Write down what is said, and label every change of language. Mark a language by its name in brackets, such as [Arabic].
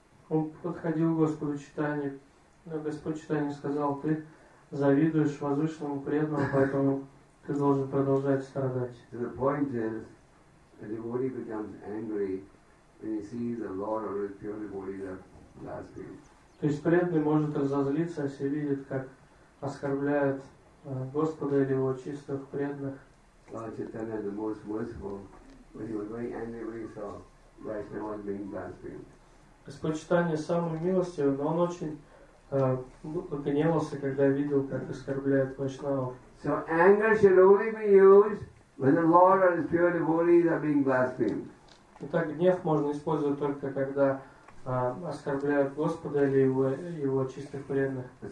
[Russian] Он подходил к Господу Читанию, но Господь Читанию сказал: «Ты завидуешь возвышенному преданному, поэтому ты должен продолжать страдать». [English] The point is, a devotee becomes angry when he sees a lord or a pure devotee that blasphemes. [Russian] То есть преданный может разозлиться, если видит, как оскорбляют Господа или его чистых преданных. [English] Lord Chaitanya, the most merciful, when he was very angry when he saw Vaishnava being blasphemed. [Russian] Господь Читания самый милостивый, но он очень гневался, когда видел, как оскорбляют вайшнавов. [English] So anger should only be used when the Lord or his pure devotees are being blasphemed. [Russian] Итак, гнев можно использовать только когда оскорбляют Господа или его чистых преданных.